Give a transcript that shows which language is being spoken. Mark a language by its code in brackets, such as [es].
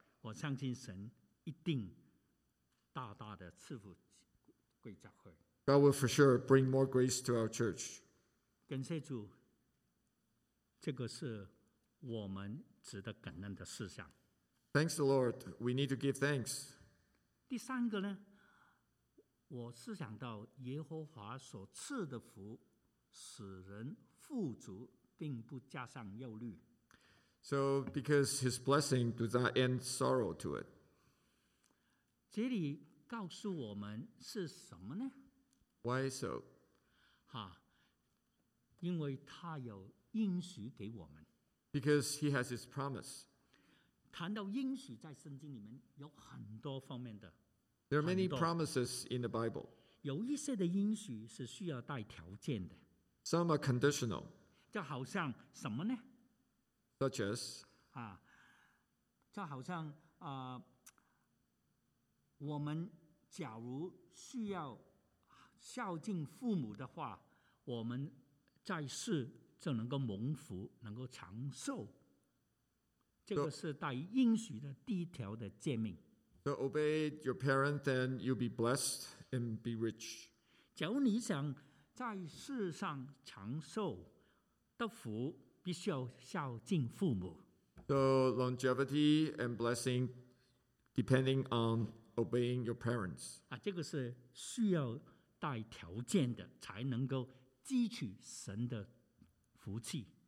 [zh] 我相信神一定大大的赐福贵教会。 [en] God will for sure bring more grace to our church. [zh] 感谢主，这个是我们值得感恩的事项。 [en] Thanks the Lord, we need to give thanks. [zh] 第三个呢，我思想到耶和华所赐的福，使人富足，并不加上忧虑。 [en] So, because his blessing does not end sorrow to it. [zh] 这里告诉我们是什么呢？ [en] Why so? [zh] 因为他有应许给我们。 [en] Because he has his promise. [zh] 谈到应许在圣经里面有很多方面的。 [en] There are many promises in the Bible. [zh] 有一些的应许是需要带条件的。 [en] Some are conditional. [zh] 就好像什么呢？ [en] Such as, [zh] 就好像我们假如需要孝敬父母的话，我们在世就能够蒙福，能够长寿。这个是带应许的第一条的诫命。 [en] So obey your parents, then you'll be blessed and be rich. [zh] 假如你想在世上长寿的福。必须要孝敬父母。 [en] So longevity and blessing depending on obeying your parents. [zh] 这个是需要带条件的，才能够汲取神的福气。